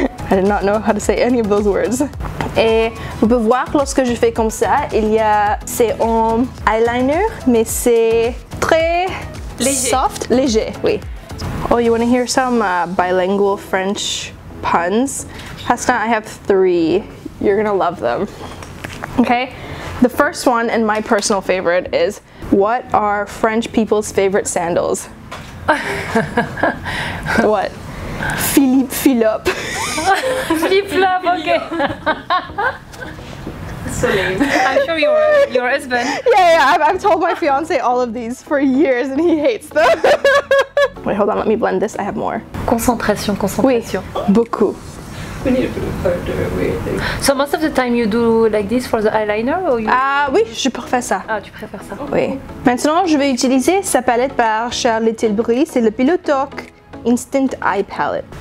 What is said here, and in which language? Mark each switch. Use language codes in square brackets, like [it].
[en] I did not know how to say any of those words. [fr] Et vous pouvez voir lorsque je fais comme ça, il y a c'est un eyeliner, mais c'est très léger. [en] Soft, [fr] léger, oui. [en] Oh, you want to hear some bilingual French puns? Hasna, I have three. You're gonna love them. Okay, the first one and my personal favorite is, what are French people's favorite sandals? What? Philippe Philop. Philippe Philop, okay. Celine. I'm sure your husband. Yeah, yeah, I've told my fiance all of these for years and he hates them. Wait, hold on, let me blend this, I have more. Concentration, concentration. [fr] Oui, beaucoup. [en] We need a bit further away. So most of the time you do like this for the eyeliner or you... [fr] Ah oui, je préfère ça. Ah, tu préfères ça. Oui. Maintenant, je vais utiliser sa palette par Charlotte Tilbury, c'est le Pillow Talk Instant Eye Palette.